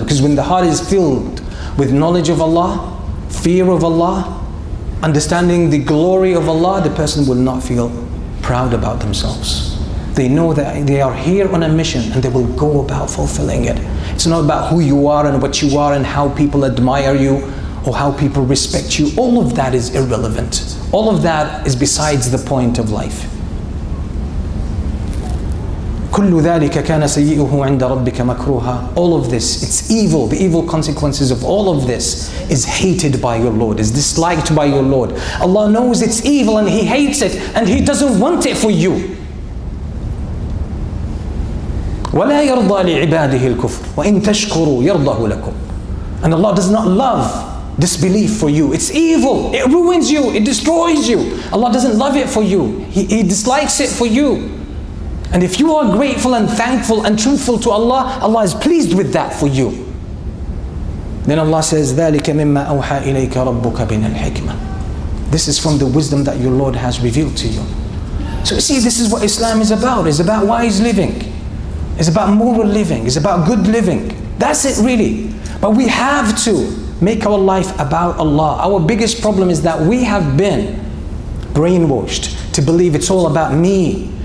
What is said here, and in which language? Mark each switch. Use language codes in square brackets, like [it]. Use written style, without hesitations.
[en] Because when the heart is filled with knowledge of Allah, fear of Allah, understanding the glory of Allah, the person will not feel proud about themselves. They know that they are here on a mission and they will go about fulfilling it. It's not about who you are and what you are and how people admire you or how people respect you. All of that is irrelevant. All of that is besides the point of life. [ar] كل ذلك كان سيئه عند ربك مكروها. [en] All of this, it's evil. The evil consequences of all of this is hated by your Lord, is disliked by your Lord. Allah knows it's evil and He hates it and He doesn't want it for you. [ar] وَلَا يَرْضَى لِعِبَادِهِ الْكُفْرِ وَإِنْ تَشْكُرُوا يَرْضَهُ لَكُمْ. [en] And Allah does not love disbelief for you. It's evil. It ruins you. It destroys you. Allah doesn't love it for you. He dislikes it for you. And if you are grateful and thankful and truthful to Allah, Allah is pleased with that for you. [ar] Then Allah says, ذَلِكَ مِمَّا أَوْحَى إِلَيْكَ رَبُّكَ بِنَ الْحِكْمَةِ. [en] This is from the wisdom that your Lord has revealed to you. So you see, this is what Islam is about. It's about wise living. It's about moral living. It's about good living. That's it really. But we have to make our life about Allah. Our biggest problem is that we have been brainwashed to believe it's all about me.